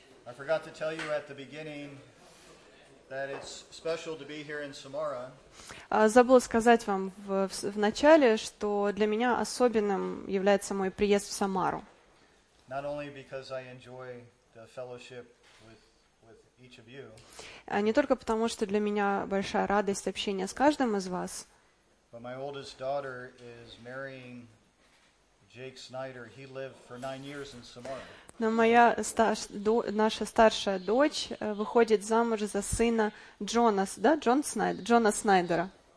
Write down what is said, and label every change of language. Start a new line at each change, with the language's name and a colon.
English: I forgot to tell you at the beginning that it's special to be here in Samara.
Russian: Забыла сказать вам в начале, что для меня особенным является мой приезд в Самару.
English: Not only because I enjoy the fellowship with each of you.
Russian: Не только потому, что для меня большая радость общения с каждым из вас.
English: But my oldest daughter is marrying Jake Snyder. He lived for 9 years in Samara.
Russian: Но моя наша старшая дочь выходит замуж за сына Джона, да, Джон Снайдер, Джона Снайдера.